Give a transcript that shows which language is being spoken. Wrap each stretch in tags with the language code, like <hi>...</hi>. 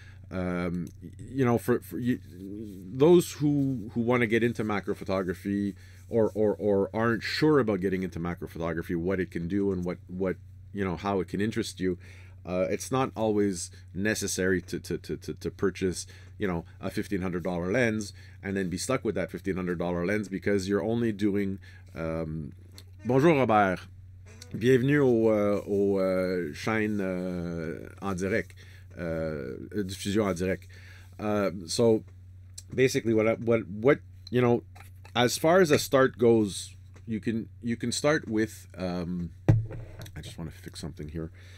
<en>You know, for you, those who want to get into macro photography or aren't sure about getting into macro photography, what it can do and what you know how it can interest you. It's not always necessary to purchase, you know, a $1,500 lens and then be stuck with that $1,500 lens because you're only doing.</en> <fr>Bonjour Robert, bienvenue au chaîne en direct, diffusion en direct.</fr> <en>So basically, what you know, as far as a start goes, you can start with. I just want to fix something here.</en>